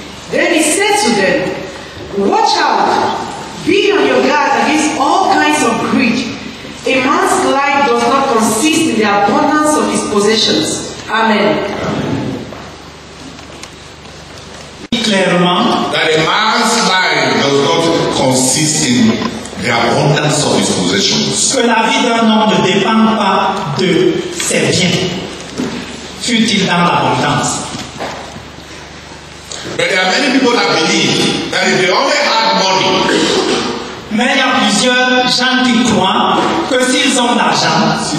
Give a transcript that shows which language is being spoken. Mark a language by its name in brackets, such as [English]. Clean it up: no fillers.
[English] Then he said to them, watch out, be on your guard against all kinds of greed. A man's life does not consist in the abundance of his possessions. Amen. [French] Clairement, [English] that a man's life does not consist in the abundance of his possessions. [French] Que la vie d'un homme ne dépend pas de ses biens, fût-il dans l'abondance. [English] But there are many people that believe that if they only had money, [French] mais il y a plusieurs gens qui croient que s'ils ont l'argent,